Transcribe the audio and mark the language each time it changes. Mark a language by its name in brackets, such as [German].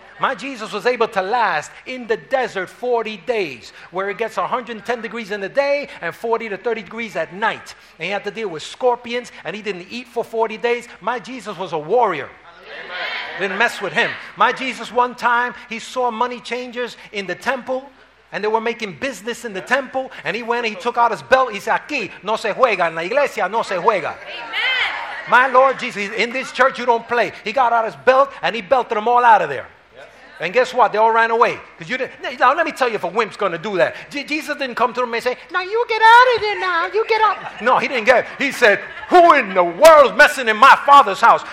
[English] My Jesus was able to last in the desert 40 days, where it gets 110 degrees in the day and 40 to 30 degrees at night. And he had to deal with scorpions, and he didn't eat for 40 days. My Jesus was a warrior. Didn't mess with him. My Jesus, one time, he saw money changers in the temple, and they were making business in the temple, and he went and he took out his belt. He said, [Spanish] aquí no se juega, en la iglesia no se juega. [English] Amen. My Lord Jesus, in this church you don't play. He got out his belt, and he belted them all out of there. Yeah. And guess what? They all ran away. Because you didn't. Now, let me tell you if a wimp's going to do that. Jesus didn't come to them and say, now you get out of there now. You get out. No, he didn't get it. He said, who in the world is messing in my father's house?